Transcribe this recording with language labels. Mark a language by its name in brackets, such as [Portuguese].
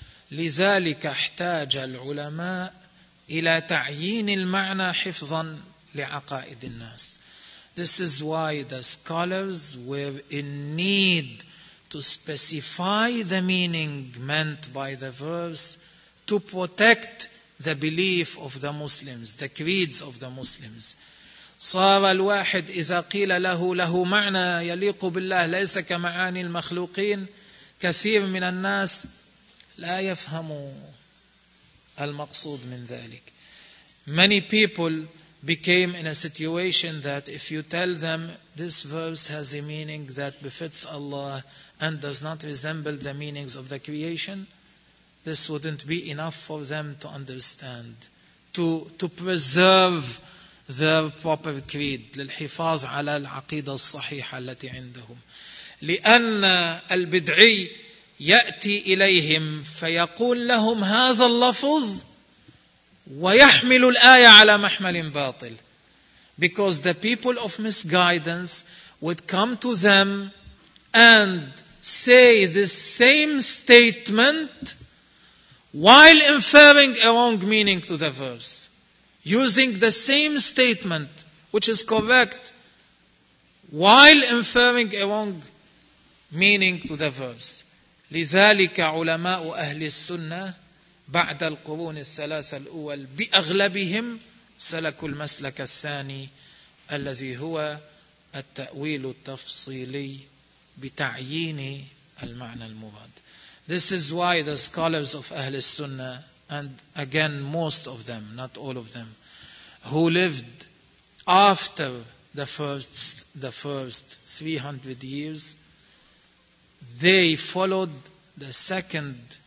[Arabic] لذلك احتاج العلماء إلى تعيين المعنى حفظا لعقائد الناس. [English] This is why the scholars were in need to specify the meaning meant by the verse to protect the belief of the Muslims, the creeds of the Muslims. [Arabic] صار الواحد إذا قيل له له معنى يليق بالله ليس كمعاني المخلوقين كثير من الناس لا يفهموا المقصود من ذلك. [English] Many people became in a situation that if you tell them this verse has a meaning that befits Allah and does not resemble the meanings of the creation, this wouldn't be enough for them to understand, to preserve their proper creed. [Arabic] للحفاظ على العقيدة الصحيحة التي عندهم. لأن البدعي يأتي إليهم فيقول لهم هذا اللفظ ويحمل الآية على محمل باطل. [English] Because the people of misguidance would come to them and say this same statement while inferring a wrong meaning to the verse. Using the same statement which is correct while inferring a wrong meaning to the verse. [Arabic] لذلك علماء أهل السنة بعد القرون الثلاثة الأول بأغلبهم سلكوا المسلك الثاني الذي هو التأويل التفصيلي بتعيين al-ma'na al-murad. [English] This is why the scholars of Ahl Sunnah, and again most of them, not all of them, who lived after the first 300 years, they followed the second